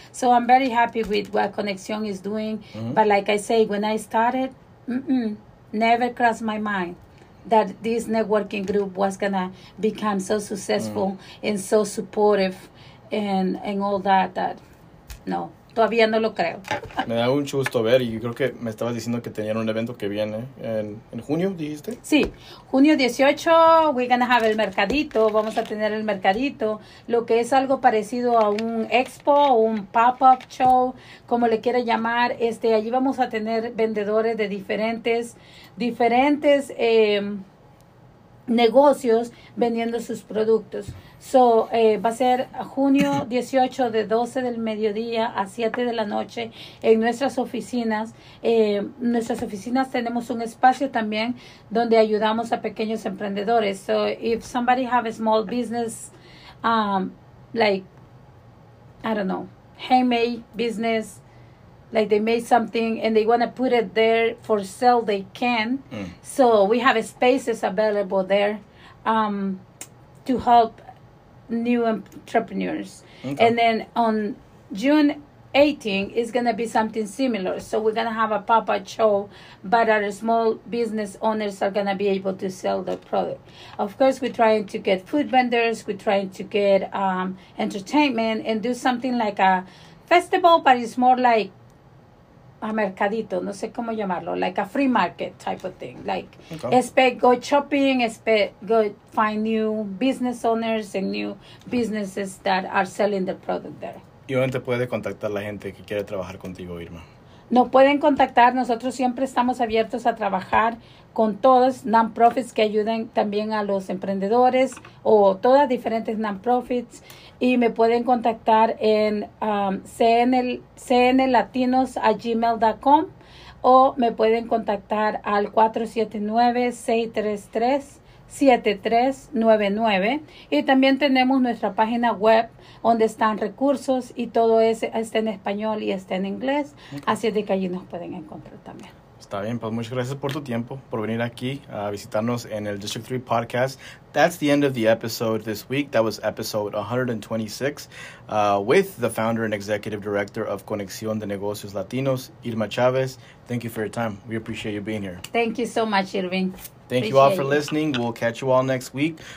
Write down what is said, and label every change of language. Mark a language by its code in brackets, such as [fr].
[en] So I'm very happy with what Conexión is doing. Mm-hmm. But like I say, when I started, never crossed my mind that this networking group was gonna become so successful and so supportive, and all that. [es] That no, todavía no lo creo. Me da un gusto ver, y creo que me estabas diciendo que tenían un evento que viene en junio, dijiste. Sí, junio 18, [en] we're gonna have [es] el mercadito. Vamos a tener el mercadito, lo que es algo parecido a un expo, un pop-up show, como le quiera llamar. Allí vamos a tener vendedores de diferentes negocios vendiendo sus productos. So, va a ser junio 18 de 12 del mediodía a 7 de la noche en nuestras oficinas. Nuestras oficinas tenemos un espacio también donde ayudamos a pequeños emprendedores. [en] So, if somebody have a small business, like, I don't know, handmade business, like they made something and they want to put it there for sale, they can. Mm. So, we have spaces available there to help new entrepreneurs. Okay. And then on June 18 is going to be something similar, so we're going to have a pop-up show, but our small business owners are going to be able to sell their product. Of course, we're trying to get food vendors, we're trying to get entertainment and do something like a festival, but it's more like a mercadito, [es] no sé cómo llamarlo, [en] like a free market type of thing. Like, okay. Go find new business owners and new businesses that are selling the product there. [es] ¿Y dónde te puede contactar la gente que quiere trabajar contigo, Irma? Nos pueden contactar, nosotros siempre estamos abiertos a trabajar con todos non-profits que ayuden también a los emprendedores o todas diferentes non-profits. Y me pueden contactar en cnlatinos@gmail.com o me pueden contactar al 479-633-7399. Y también tenemos nuestra página web donde están recursos y todo está en español y está en inglés. Okay. Así es de que allí nos pueden encontrar también. Está bien, pues muchas gracias por tu tiempo, por venir aquí a visitarnos en el District 3 Podcast. [en] That's the end of the episode this week. That was episode 126 with the founder and executive director of Conexión de Negocios Latinos, Irma Chávez. Thank you for your time. We appreciate you being here. Thank you so much, Irving. Thank you all for listening. We'll catch you all next week.